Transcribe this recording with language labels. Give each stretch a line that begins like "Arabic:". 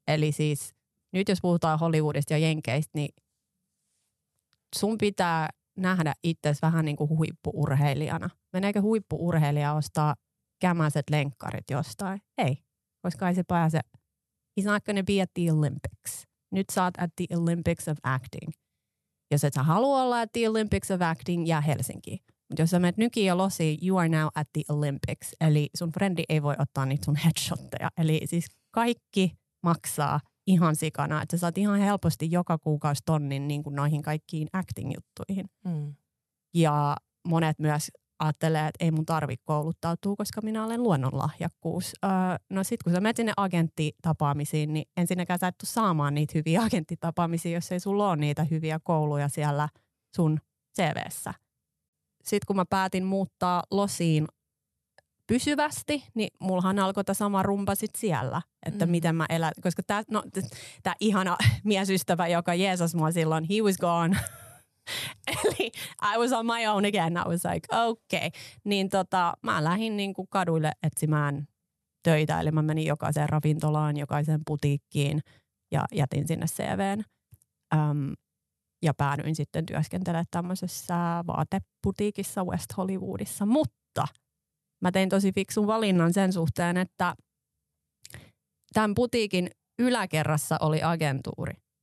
Finnish: Eli siis nyt jos puhutaan Hollywoodista ja Jenkeistä, niin sun pitää nähdä itsesi vähän niin kuin huippu-urheilijana. Meneekö huippu-urheilija ostaa kämäset lenkkarit jostain? Ei, koska ei se pääse.
English: He's not gonna be at the Olympics.
Finnish: Nyt sä oot
English: at the Olympics of acting.
Finnish: Jos et sä halua olla
English: at the Olympics of acting,
Finnish: jää Helsinkiin. Mutta jos sä menet nykiin ja losiin,
English: you are now at the Olympics.
Finnish: Eli sun frendi ei voi ottaa niitä sun headshotteja. Eli siis kaikki maksaa ihan sikana. Että sä saat ihan helposti joka kuukausi tonnin niin kuin noihin kaikkiin acting-juttuihin. Ja monet myös ajattelee, että ei mun tarvitse kouluttautua, koska minä olen luonnonlahjakkuus. No sit kun sä menet sinne agenttitapaamisiin, niin ensinnäkään sä et tule saamaan niitä hyviä agenttitapaamisia, jos ei sulla ole niitä hyviä kouluja siellä sun CV:ssä. Sitten kun mä päätin muuttaa Losiin pysyvästi, niin mullahan alkoi tämä sama rumpa sitten siellä, että miten mä elän. Koska tämä no, ihana miesystävä, joka jeesas mua silloin,
English: he was gone.
Finnish: Eli
English: I was on my own again. I was like, okay.
Finnish: Niin mä lähdin niinku kaduille etsimään töitä. Eli mä menin jokaiseen ravintolaan, jokaiseen putiikkiin ja jätin sinne CV:n. Ja päädyin sitten työskentelemään tämmöisessä vaateputiikissa West Hollywoodissa. Mutta mä tein tosi fiksun valinnan sen suhteen, että tämän putiikin yläkerrassa oli agentuuri.